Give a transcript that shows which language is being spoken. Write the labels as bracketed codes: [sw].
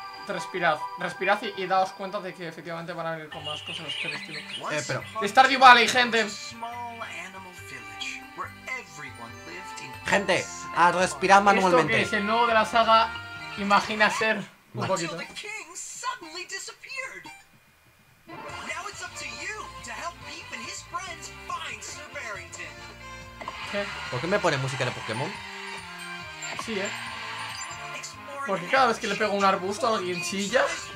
[es] respirad y daos cuenta de que efectivamente van a venir con más cosas que el estilo. Pero... Stardew Valley, gente. Gente, a respirar manualmente. Esto que es el nuevo de la saga, imagina ser un poquito. [en] The king suddenly disappeared. Now it's up to you to help Beep and his friends find Sir Barrington. [es] ¿Por qué me pone música de Pokémon? Sí, ¿eh? Porque cada vez que le pego un arbusto a alguien chilla.